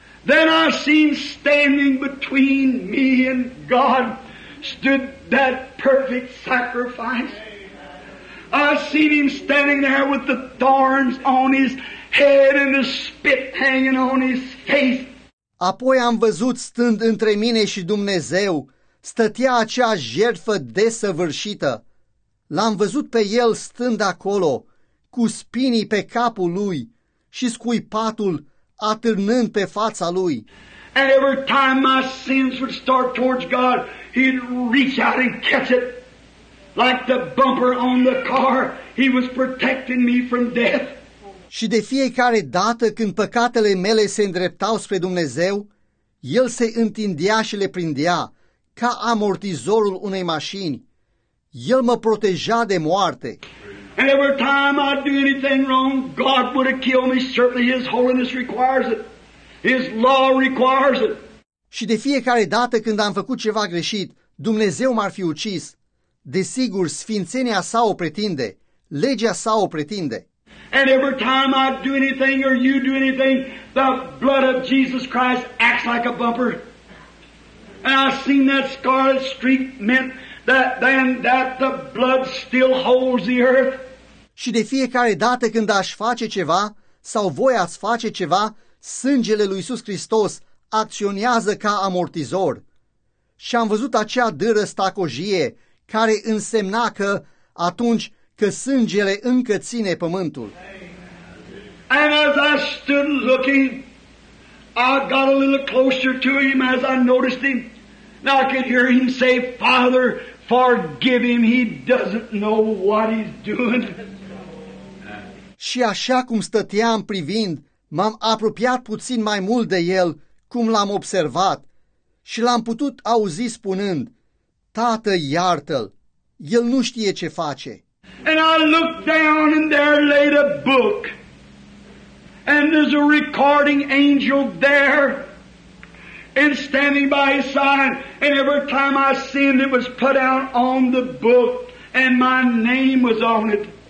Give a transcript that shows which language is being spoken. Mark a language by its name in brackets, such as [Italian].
[English] Then I seen standing between me and God stood that perfect sacrifice. I seen him standing there with the thorns on his head and the spit hanging on his face. [Romanian] Apoi am văzut stând între mine și Dumnezeu, stătea acea jertfă desăvârșită. L-am văzut pe el stând acolo, cu spinii pe capul lui și scuipatul atârnând pe fața lui. [English] And every time my sins would start towards God, he'd reach out and catch it. Like the bumper on the car, he was protecting me from death. [Romanian] Și de fiecare dată când păcatele mele se îndreptau spre Dumnezeu, el se întindea și le prindea, ca amortizorul unei mașini. El mă proteja de moarte. [English] And every time I do anything wrong, God would have killed me. Certainly his holiness requires it. His law requires it. [Romanian] Și de fiecare dată când am făcut ceva greșit, Dumnezeu m-ar fi ucis. Desigur, sfințenia sa o pretinde, legea sa o pretinde. [English] And every time I do anything or you do anything, the blood of Jesus Christ acts like a bumper. And I seen that scarlet streak meant that the blood still holds the earth. [Romanian] Și de fiecare dată când aș face ceva sau voi ați face ceva, sângele lui Iisus Hristos acționează ca amortizor. Și am văzut acea dâră stacojie care însemna că atunci că sângele încă ține pământul. [English] And as I stood looking, I got a little closer to him as I noticed him. Now I could hear him say, Father, forgive him, he doesn't know what he's doing. [Romanian] Și așa cum stăteam privind, m-am apropiat puțin mai mult de el, cum l-am observat, și l-am putut auzi spunând, Tată, iartă-l, el nu știe ce face. [English] And I looked down and there laid a book. And there's a recording angel there and standing by his side. And every time I sinned, it was put out on the book and my name was on it.